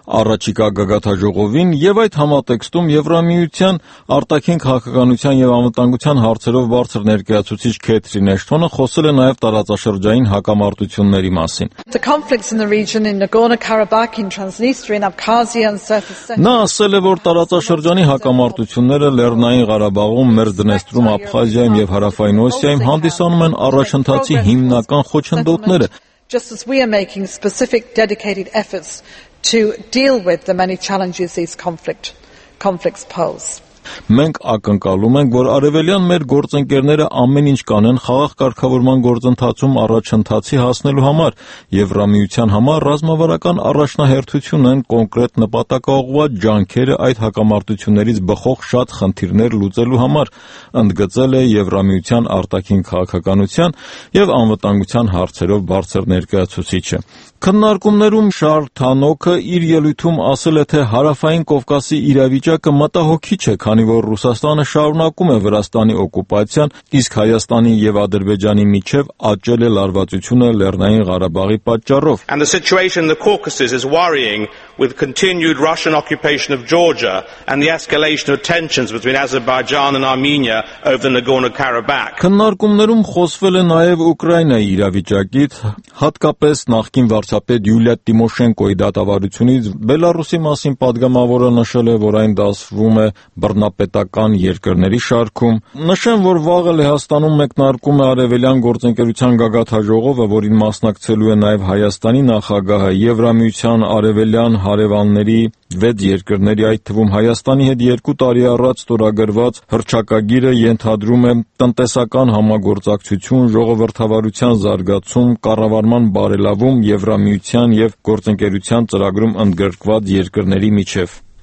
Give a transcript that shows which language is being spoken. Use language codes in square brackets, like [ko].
[hy] առաջիկա գագաթաժողովին և այդ համատեքստում Եվրամիության արտաքին քաղաքականության և անվտանգության հարցերով բարձր ներկայացուցիչ Քեթրին Աշտոնը խոսել է նաև տարածաշրջային հակամարտությունների մասին։ Նա ասել է, որ տարածաշրջանի հակամարտությունները Լեռնային Ղարաբաղում, Մերդնեստրում, Աբխազիայում և Հարավային Օսիայում հանդիսանում են առաջընթացի հիմնական խոչընդոտները։ [en] Just as we are making specific dedicated efforts to deal with the many challenges these conflicts pose. [hy] Մենք ակնկալում ենք, որ արևելյան մեր գործընկերները ամեն ինչ կանեն խաղաղ կարգավորման գործընթացում առաջընթացի հասնելու համար, Եվրամիության համար ռազմավարական առաջնահերթություն են կոնկրետ նպատակաուղված ջանքերը այդ հակամարտություններից բխող շատ խնդիրներ լուծելու համար, ընդգծել է Եվրամիության արտաքին քաղաքականության և անվտանգության հարցերով բարձր ներկայացուցիչը։ Քննարկումներում Շարլ Թանոքը իր ելույթում ասել է, թե Հարավային Կովկասի իրավիճակը մտահոգիչ է, քանի որ Ռուսաստանը շարունակում է Վրաստանի օկուպացիան, իսկ Հայաստանի և Ադրբեջանի միջև աճել է լարվածությունը Լեռնային Ղարաբաղի պատճառով. [en] And the situation in the Caucasus is worrying with continued Russian occupation of Georgia and the escalation of tensions between Azerbaijan and Armenia over the Nagorno-Karabakh. [hy] Քննարկումներում խոսվել է նաև Ուկրաինայի իրավիճակից, հատկապես նախկին վարչապետ Յուլիա Տիմոշենկոյի դատավարությունից Բելարուսի մասին պատգամավորը նշել է, որ այն դասվում է բռնապետական երկրների շարքում։ Նշեմ, որ վաղը Լեհաստանում մեկնարկում է արևելյան գործընկերության գագաթաժողովը, որին մասնակցելու է նաև Հայաստանի նախագահը, Եվրամիության արևելյան հարևանների վեց երկրների, այդ թվում Հայաստանի հետ 2 տարի առաջ ստորագրված հռչակագիրը ենթադրում է տնտեսական համագործակցություն, ժողովրդավարության զարգացում, կառավարման բարելավում Եվրամիության և գործընկերության ծրագրում ընդգրկված երկրների միջև։